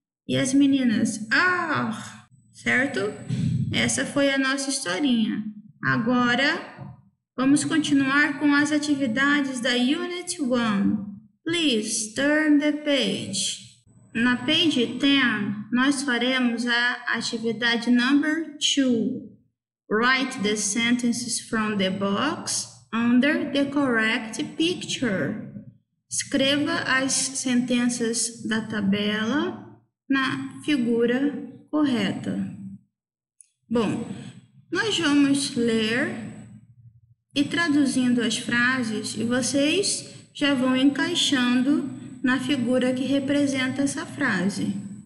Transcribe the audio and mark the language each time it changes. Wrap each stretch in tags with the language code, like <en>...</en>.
<pt>E as meninas: Ah! Certo? Essa foi a nossa historinha. Agora, vamos continuar com as atividades da Unit 1.</pt> <en>Please turn the page.</en> <pt>Na page 10, nós faremos a atividade</pt> <en>number 2. Write the sentences from the box under the correct picture.</en> <pt>Escreva as sentenças da tabela na figura correta. Bom, nós vamos ler e traduzindo as frases e vocês já vão encaixando na figura que representa essa frase.</pt>